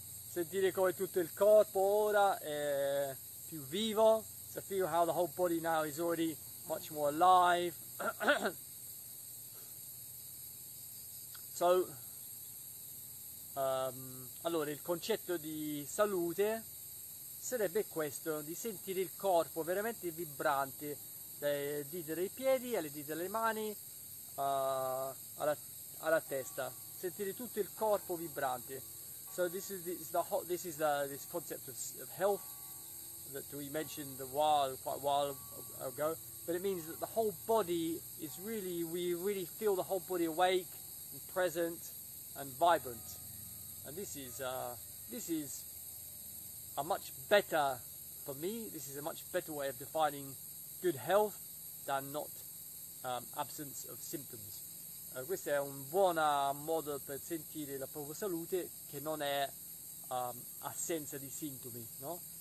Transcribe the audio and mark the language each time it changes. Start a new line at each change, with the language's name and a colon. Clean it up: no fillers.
Italian: Sentire come tutto il corpo ora è più vivo.
English: So feel how the whole body now is already much more alive.
Italian: So, allora il concetto di salute sarebbe questo, di sentire il corpo veramente vibrante. Dai dita dei piedi, alle dita delle mani, alla testa. Sentire tutto il corpo vibrante.
English: So this concept of health that we mentioned quite a while ago. But it means that the whole body is really, we really feel the whole body awake and present and vibrant. And this is a much better for me. This is a much better way of defining good health than not absence of symptoms.
Italian: Questo è un buon modo per sentire la propria salute che non è assenza di sintomi, no?